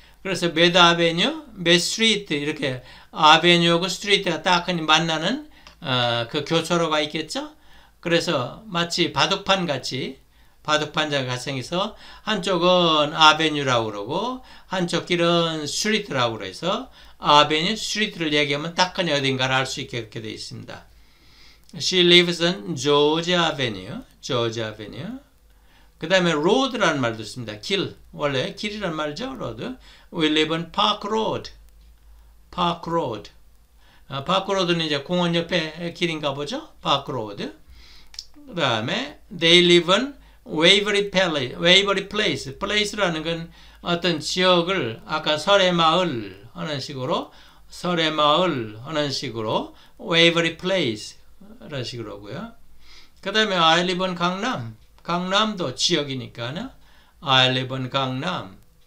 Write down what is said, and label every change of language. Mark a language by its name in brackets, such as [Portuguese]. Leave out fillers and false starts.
[Korean] 그래서 몇 아베뉴, 몇 스트리트 이렇게 아베뉴하고 스트리트가 딱 하니 만나는 그 교차로가 있겠죠? 그래서 마치 바둑판 같이 바둑판장 가상에서 한쪽은 아베뉴라고 그러고 한쪽 길은 스트리트라고 그래서 아베뉴 스트리트를 얘기하면 딱 하니 어딘가를 알수 있게 그렇게 돼 있습니다. [English] She lives on George Avenue. George Avenue. [Korean] 그 다음에 로드라는 말도 있습니다. 길. 원래 길이란 말이죠. 로드. [English] We live on Park Road. Park Road. [Korean] Park Road는 이제 공원 옆에 길인가 보죠. [English] Park Road. [Korean] 그 다음에 [English] They live on Waverly Place. Waverly Place. [Korean] Place라는 건 어떤 지역을 아까 설의 마을 하는 식으로 설의 마을 하는 식으로 Waverly Place 라는 식으로고요. 그 다음에 [English] I live on 강남. [Korean] 강남도 지역이니까요. [English] I live in 강남.